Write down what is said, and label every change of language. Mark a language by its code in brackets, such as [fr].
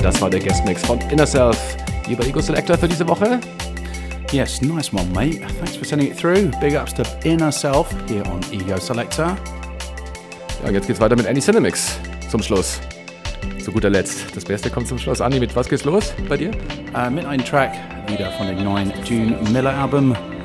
[de] der Guest Mix von Inner Self hier bei Ego Selector für diese Woche. [en] Yes, nice one, mate. Thanks for sending it through. Big ups to Inner Self here on Ego Selector. [de] Ja, und jetzt geht's weiter mit Andy Cinemix zum Schluss. Zu guter Letzt. Das Beste kommt zum Schluss. Andy, mit was geht's los bei dir? Mit einem Track wieder von dem neuen June Miller Album.